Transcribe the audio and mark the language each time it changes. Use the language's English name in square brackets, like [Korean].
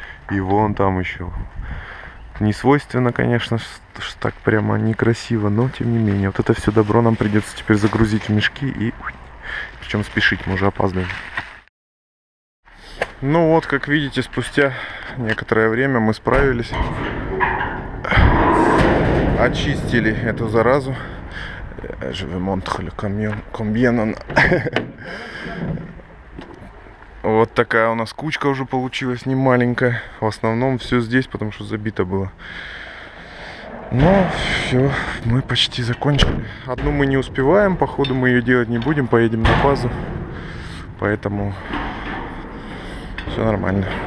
[Russian] И вон там еще. Не свойственно, конечно, что так прямо некрасиво, но тем не менее. Вот это все добро нам придется теперь загрузить в мешки и... Причем спешить, мы уже опаздываем. Ну вот, как видите, спустя некоторое время мы справились. Очистили эту заразу. [French] Je vais montrer le camion, combien on... [Russian] Вот такая у нас кучка уже получилась, не маленькая. В основном все здесь, потому что забито было. Ну, все, мы почти закончили. Одну мы не успеваем, походу мы ее делать не будем, поедем на базу. Поэтому все нормально.